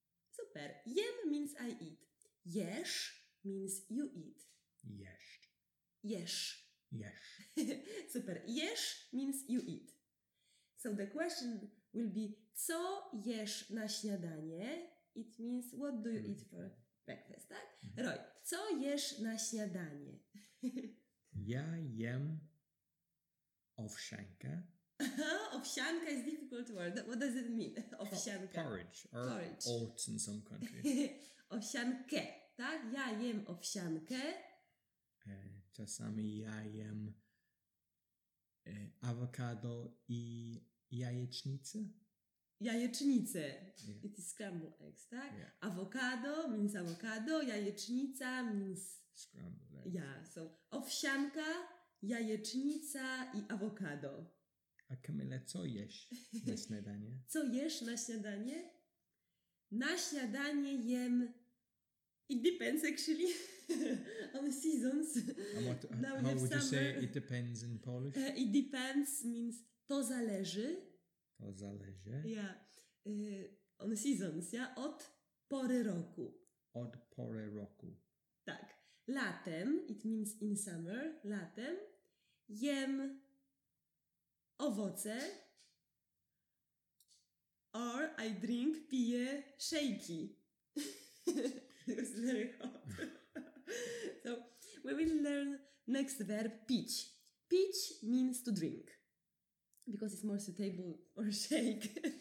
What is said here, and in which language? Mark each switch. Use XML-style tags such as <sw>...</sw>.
<en>Super. Jem means I eat. Jesz means you eat.</en> <pl>Jesz. Jesz. Jesz.</pl> <en>Super. Jesz means you eat. So the question will be,</en> <pl>co jesz na śniadanie?</pl> <en>It means, what do you eat for breakfast,</en> <pl>tak? Mm-hmm. Roy, co jesz na śniadanie? Ja jem owsiankę.</pl> <en>Owsianka is a difficult word. What does it mean? Owsianka. Porridge. Or porridge. Oats in some countries.</en> <pl>Owsiankę, tak? Ja jem owsiankę. Czasami ja jem awokado i jajecznicę. Jajecznicę.</pl> <en>Yeah. It is scrambled eggs,</en> <pl>tak?</pl> <en>Yeah. Awokado means awokado, jajecznica means... Scrambled eggs. Yeah, so</en> <pl>owsianka, jajecznica i awokado. A Kamila, co jesz na śniadanie? Co jesz na śniadanie? Na śniadanie jem...</pl> <en>It depends, actually, on the seasons. And what, now how would summer. You say it depends in Polish? It depends means</en> <pl>to zależy. To zależy.</pl> <en>Yeah. On the seasons, yeah?</en> <pl>Od pory roku. Od pory roku. Tak. Latem,</pl> <en>it means in summer,</en> <pl>latem, jem... Owoce,</pl> <en>or I drink,</en> <pl>piję shaky.</pl> <en>It's very hot. So, we will learn next verb, pić. Pić means to drink, because it's more suitable or shake.</en>